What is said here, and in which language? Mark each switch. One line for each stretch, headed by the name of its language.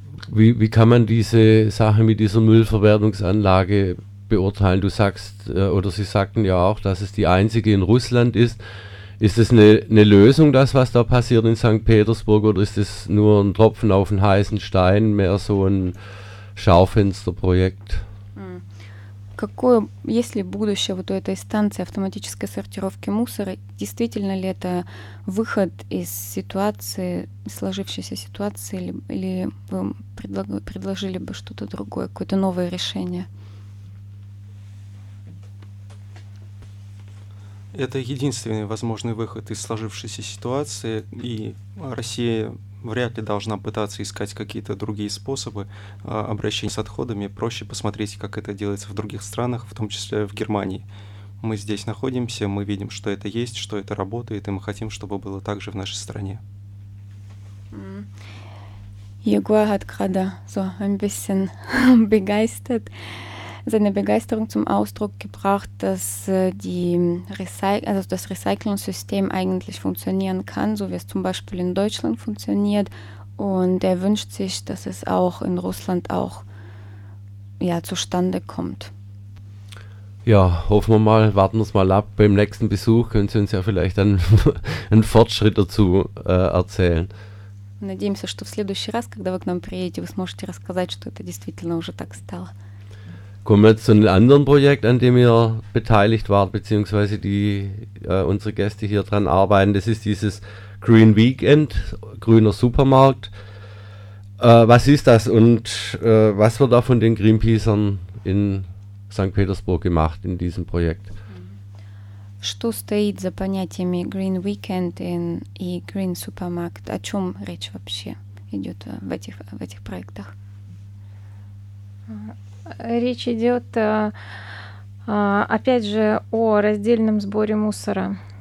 German: Wie kann man diese Sache mit dieser Müllverwertungsanlage beurteilen? Du sagst, oder Sie sagten ja auch, dass es die einzige in Russland ist. Ist es eine Lösung, das, was da passiert in St. Petersburg, oder ist es nur ein Tropfen auf den heißen Stein, mehr so ein Schaufensterprojekt?
Russian: Какое, есть ли будущее вот у этой станции автоматической сортировки мусора? Действительно ли это выход из ситуации, сложившейся ситуации, или вы предложили бы что-то другое, какое-то новое решение? Это единственный возможный выход из сложившейся ситуации, и Россия вряд ли должна пытаться искать какие-то другие способы обращения с отходами. Проще посмотреть, как это делается в других странах, в том числе в Германии. Мы здесь находимся, мы видим, что это есть, что это работает, и мы хотим, чтобы было так же в нашей стране.
German: Егор hat gerade so ein bisschen begeistert, seine Begeisterung zum Ausdruck gebracht, dass das Recycling-System eigentlich funktionieren kann, so wie es zum Beispiel in Deutschland funktioniert. Und er wünscht sich, dass es auch in Russland auch ja, zustande kommt. Ja, hoffen wir mal, warten wir es mal ab. Beim nächsten Besuch können Sie uns ja vielleicht einen Fortschritt dazu erzählen.
Russian: Надеемся, что в следующий раз, когда вы к нам приедете, вы сможете рассказать, что это действительно уже так стало.
German: Kommen wir zu einem anderen Projekt, an dem ihr beteiligt wart, beziehungsweise die unsere Gäste hier dran arbeiten. Das ist dieses Green Weekend, grüner Supermarkt. Was ist das und was wird da von den Greenpeacern in St. Petersburg gemacht in diesem Projekt?
Russian: Что стоит за понятиями Green Weekend и Green Supermarkt? О чем речь вообще идет в этих проектах? Речь идет, опять же, о раздельном сборе мусора.